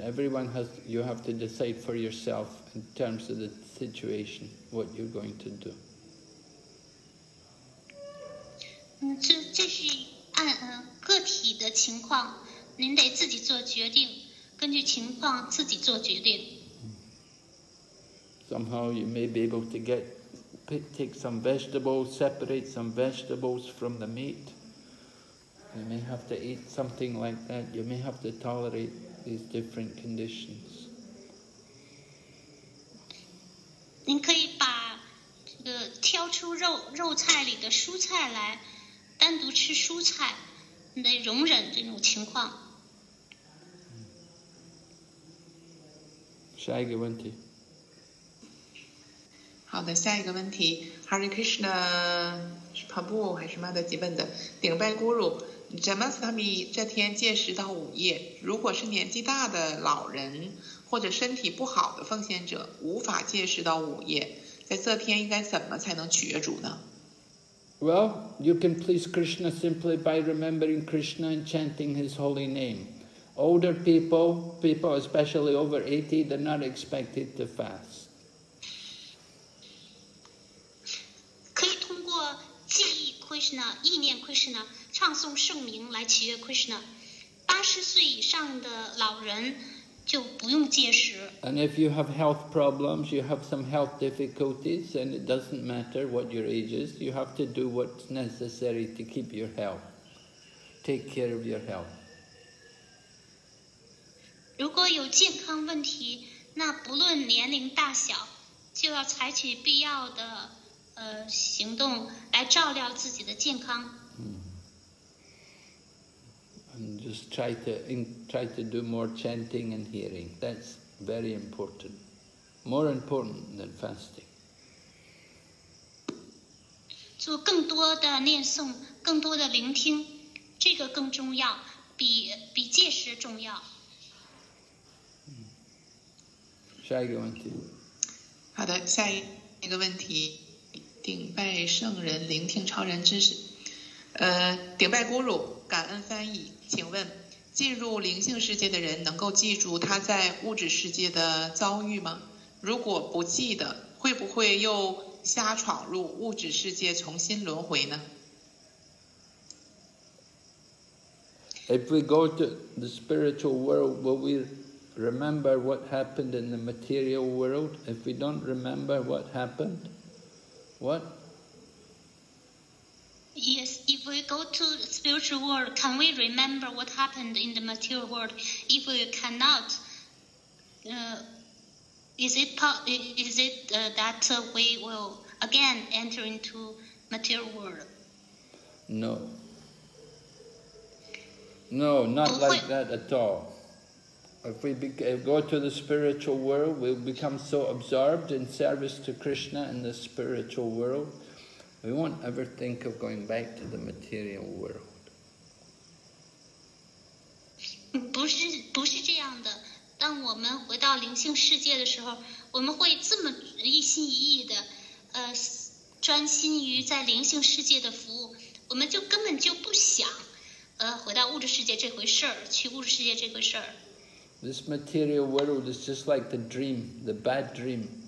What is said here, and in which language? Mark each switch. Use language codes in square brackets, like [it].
[en] Everyone has, you have to decide for yourself in terms of the situation what you're going to do. [zh] 这是按个体的情况，您得自己做决定，根据情况自己做决定。 [en] Somehow you may be able to take some vegetables, separate some vegetables from the meat. You may have to eat something like that. You may have to tolerate these different conditions. [zh] 您可以把挑出肉菜里的蔬菜来，单独吃蔬菜，你得容忍这种情况。下一个问题。好的，下一个问题 ，Hare Krishna， 是帕布还是马德吉本的顶拜咕噜。 Jamasthami 这天届时到午夜，如果是年纪大的老人或者身体不好的奉献者无法届时到午夜，在这天应该怎么才能取悦主呢？ [en] Well, you can please Krishna simply by remembering Krishna and chanting his holy name. Older people especially over 80, they're not expected to fast. [zh] 可以通过记忆 Krishna, 意念 Krishna,唱诵圣名来祈愿 Krishna， 80岁以上的老人就不用戒食。 [en] And if you have health problems, you have some health difficulties, and it doesn't matter what your age is, you have to do what's necessary to keep your health. Take care of your health. [zh] 如果有健康问题，那不论年龄大小，就要采取必要的行动来照料自己的健康。 [en] And just try to do more chanting and hearing. That's very important. More important than fasting. [zh] 做更多的念诵，更多的聆听，这个更重要，比戒食重要。下一个问题。好的，下一个问题，顶拜圣人，聆听超人知识。顶拜咕噜，感恩翻译。请问，进入灵性世界的人能够记住他在物质世界的遭遇吗？如果不记得，会不会又瞎闯入物质世界重新轮回呢？ [en] If we go to the spiritual world, will we remember what happened in the material world? If we don't remember what happened, what? Yes, if we go to the spiritual world, can we remember what happened in the material world? If we cannot, is it we will again enter into material world? No, not like that at all. If we go to the spiritual world, we'll become so absorbed in service to Krishna in the spiritual world. We won't ever think of going back to the material world. [zh] 不是这样的。当我们回到灵性世界的时候，我们会这么一心一意的，专心于在灵性世界的服务，我们就根本就不想，回到物质世界这回事儿，去物质世界这回事儿。 [en] This material world is just like the dream, the bad dream.